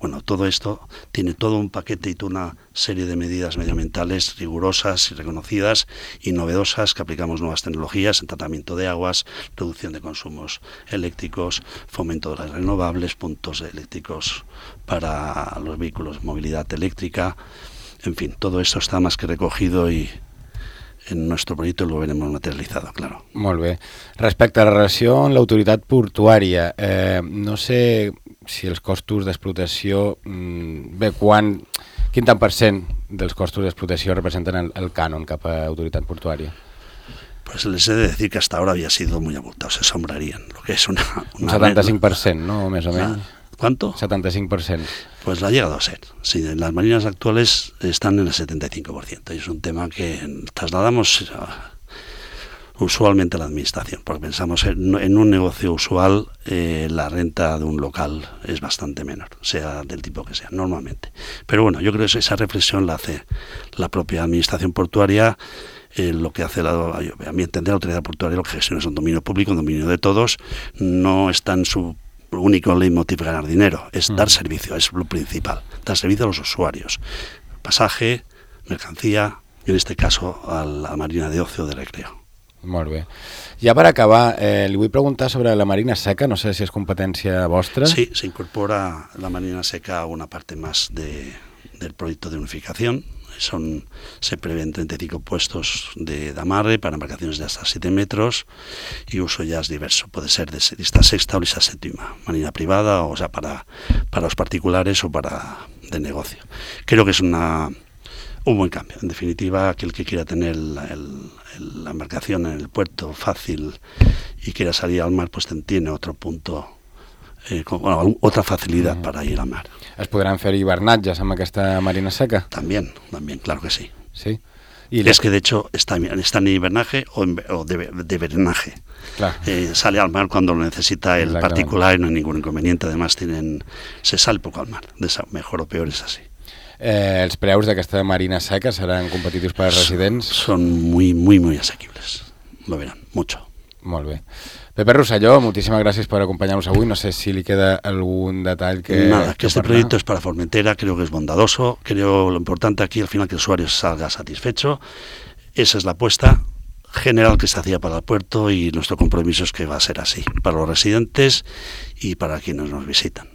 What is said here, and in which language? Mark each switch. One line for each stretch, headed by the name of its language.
Spanish: Bueno, todo esto tiene todo un paquete y toda una serie de medidas medioambientales rigurosas y reconocidas y novedosas que aplicamos nuevas tecnologías en tratamiento de aguas, reducción de consumos eléctricos, fomento de las renovables, puntos eléctricos para los vehículos, movilidad eléctrica. En fin, todo esto está más que recogido y en nuestro proyecto lo veremos materializado, claro.
Catalan: Molt bé. Respecte a la relació amb l'autoritat portuària, no sé si els costos d'explotació, quin tant per cent dels costos d'explotació representen el cànon cap a l'autoritat portuària?
Spanish: Pues les he de decir que hasta ahora había sido muy abultado, se sombrarían, lo que es una
Catalan: 75%, ¿no?, més o menys.
Spanish: ¿Cuánto? 75%. Pues lo ha llegado a ser. Sí, las marinas actuales están en el 75%. Y es un tema que trasladamos usualmente a la administración, porque pensamos en un negocio usual la renta de un local es bastante menor, sea del tipo que sea, normalmente. Pero bueno, yo creo que esa reflexión la hace la propia administración portuaria. Lo que hace a mi entender, la autoridad portuaria, lo que gestiona es un dominio público, un dominio de todos, no está en su único leitmotiv ganar dinero, es dar servicio, es lo principal, dar servicio a los usuarios, pasaje, mercancía, y en este caso a la marina de ocio, de recreo.
Catalan: Molt bé. Ja per acabar, li vull preguntar sobre la marina seca, no sé si és competència vostra.
Spanish: Sí, se incorpora la marina seca a una parte más de del proyecto de unificación. Se prevén 35 puestos de amarre para embarcaciones de hasta 7 metros y uso ya es diverso. Puede ser de lista sexta o lista séptima, marina privada, o sea, para los particulares o para de negocio. Creo que es un buen cambio. En definitiva, aquel que quiera tener la embarcación en el puerto fácil y quiera salir al mar, pues tiene otro punto.
Catalan: Otra facilitat per anar a mar. Es podran fer hivernatges amb aquesta marina seca? També, també, clar que sí. Sí. I és que,
Spanish: de hecho,
Catalan: està en hivernatge o de hivernatge.
Spanish: Claro. Sale al mar cuando lo necesita el particular y no hay ningún inconveniente. Además, se sale poco al mar. Mejor o peor es así.
Catalan: Els preus d'aquesta marina seca seran competitius per als residents?
Spanish: Són muy, muy, muy asequibles. Lo verán, mucho.
Catalan: Molt bé. Pepe Rosselló, moltíssimes gràcies per acompanyar-nos avui. No sé si li queda algun detall que...
Spanish: Nada, que este proyecto es para Formentera, creo que es bondadoso. Creo lo importante aquí, al final, que el usuario salga satisfecho. Esa es la apuesta general que se hacía para el puerto y nuestro compromiso es que va a ser así, para los residentes y para quienes nos visitan.